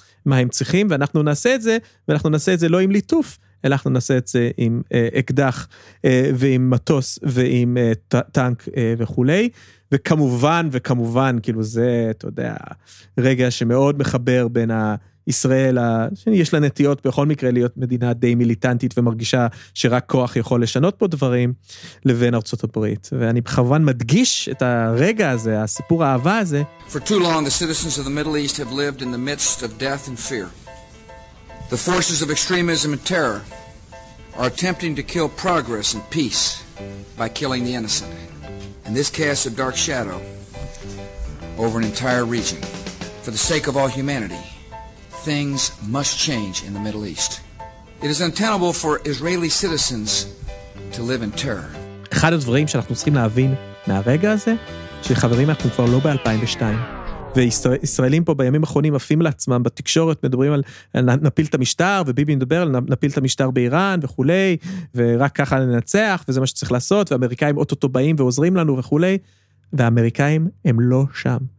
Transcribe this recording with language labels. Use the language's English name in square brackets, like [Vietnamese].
[Hebrew] מה הם צריכים, ואנחנו נעשה את זה, ואנחנו נעשה את זה לא עם ליטוף, אנחנו נעשה את זה עם אקדח ועם מטוס ועם טנק וכולי, וכמובן וכמובן, כאילו זה, אתה יודע, רגע שמאוד מחבר בין ישראל, שיש לה נטיות בכל מקרה להיות מדינה די מיליטנטית ומרגישה שרק כוח יכול לשנות פה דברים, לבין ארצות הברית. ואני בכוון מדגיש את הרגע הזה, הסיפור האהבה הזה. [English] For too long, the citizens of the Middle East have lived in the midst of death and fear. The forces of extremism and terror are attempting to kill progress and peace by killing the innocent. And this casts a dark shadow over an entire region. For the sake of all humanity, things must change in the Middle East. It is untenable for Israeli citizens to live in terror. [Hebrew] אחד הדברים שאנחנו צריכים להבין מהרגע הזה, שחברים, אנחנו כבר לא ב-2002. וישראלים פה בימים האחרונים עפים לעצמם בתקשורת, מדברים על נפיל את המשטר, וביבי מדבר על נפיל את המשטר באיראן וכולי, ורק ככה לנצח, וזה מה שצריך לעשות, ואמריקאים אוטוטו באים ועוזרים לנו וכולי, ואמריקאים הם לא שם.